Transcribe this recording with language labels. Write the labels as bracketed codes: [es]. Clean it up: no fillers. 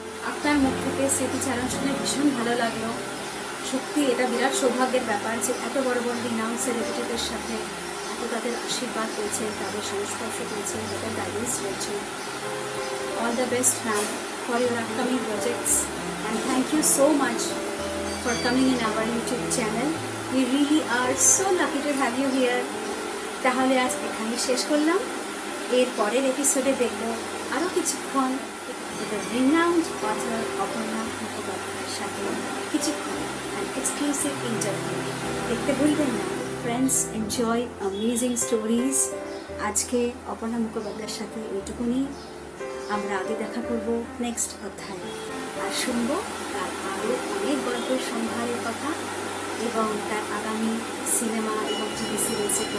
[bn] আপনার মুখ থেকে স্মৃতিচারণ শুনে ভীষণ ভালো লাগলো। সত্যি এটা বিরাট সৌভাগ্যের ব্যাপার যে এত বড় বড় রিনাউন্ড সেলিব্রিটিদের সাথে এত তাদের আশীর্বাদ পেয়েছে, তাদের সংস্পর্শ পেয়েছে, তাদের গাইডেন্স রয়েছে। [en] All the best ma'am for your upcoming projects. And thank you so much for coming in our YouTube channel. We really are so lucky to have you here. [bn] তাহলে আজ এখানে শেষ করলাম। এর পরের এপিসোডে দেখব আরও কিছুক্ষণ [en] the renowned author [bn] Aparna Mukhopadhyay সাথে কিছুক্ষণ [en] an exclusive interview. [bn] দেখতে ভুলবেন না। [en] Friends, enjoy amazing stories. [bn] আজকে Aparna Mukhopadhyay সাথে এইটুকুনি। আমরা আগে দেখা করব নেক্সট অধ্যায়ে। আর শুনবো তার আরও অনেক গল্পের সম্ভারের কথা এবং তার আগামী সিনেমা এবং টিভি সিরিজ।